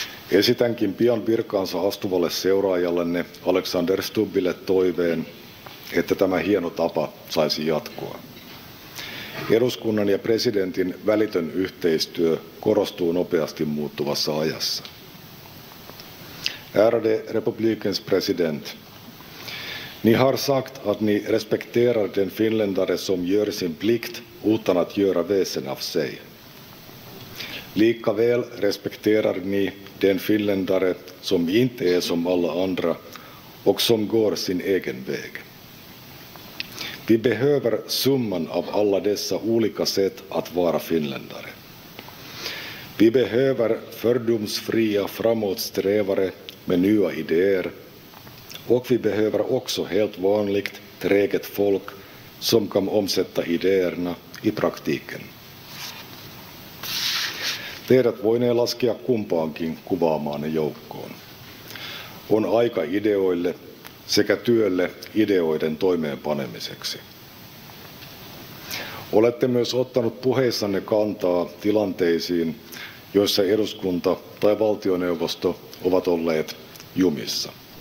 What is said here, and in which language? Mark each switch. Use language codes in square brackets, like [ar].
[fi] Esitänkin pian virkaansa astuvalle seuraajallenne Alexander Stubbille toiveen, että tämä hieno tapa saisi jatkoa. Eduskunnan ja presidentin välitön yhteistyö korostuu nopeasti muuttuvassa ajassa. [sv] Ärade republikens president, ni har sagt att ni respekterar den finländare som gör sin plikt utan att göra väsen av sig. Lika väl respekterar ni den finländare som inte är som alla andra och som går sin egen väg. Vi behöver summan av alla dessa olika sätt att vara finländare. Vi behöver fördomsfria framåtsträvare med nya idéer och vi behöver också helt vanligt träget folk som kan omsätta idéerna i praktiken. [fi] Teidät voinee laskea kumpaankin kuvaamaanne joukkoon. On aika ideoille sekä työlle ideoiden toimeenpanemiseksi. Olette myös ottanut puheissanne kantaa tilanteisiin, joissa eduskunta tai valtioneuvosto ovat olleet jumissa.